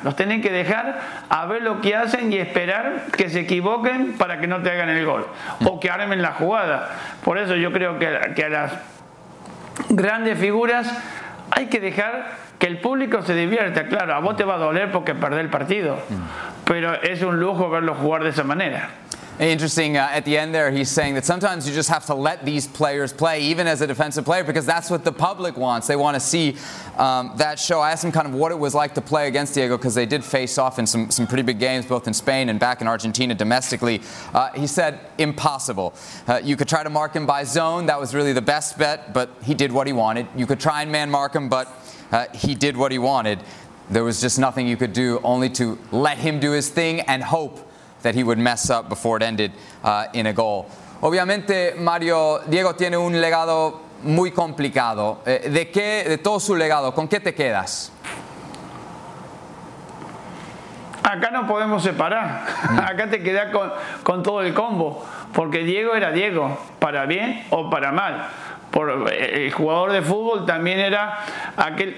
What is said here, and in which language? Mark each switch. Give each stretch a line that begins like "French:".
Spanish: Los tenés que dejar a ver lo que hacen y esperar que se equivoquen para que no te hagan el gol o que armen la jugada. Por eso yo creo que a las grandes figuras hay que dejar que el público se divierta. Claro, a vos te va a doler porque perdés el partido. Pero es un lujo verlo jugar de esa manera.
English: Interesting. At the end there, he's saying that sometimes you just have to let these players play, even as a defensive player, because that's what the public wants. They want to see that show. I asked him kind of what it was like to play against Diego, because they did face off in some pretty big games, both in Spain and back in Argentina domestically. He said, impossible. You could try to mark him by zone. That was really the best bet, but he did what he wanted. You could try and man mark him, but he did what he wanted. There was just nothing you could do, only to let him do his thing and hope that he would mess up before it ended in a goal.
Spanish: Obviamente, Mario, Diego tiene un legado muy complicado. De todo su legado, ¿con qué te quedas? Acá no podemos separar. Acá te quedas con todo el combo. Porque Diego era Diego, para bien o para mal. El jugador de fútbol también era aquel.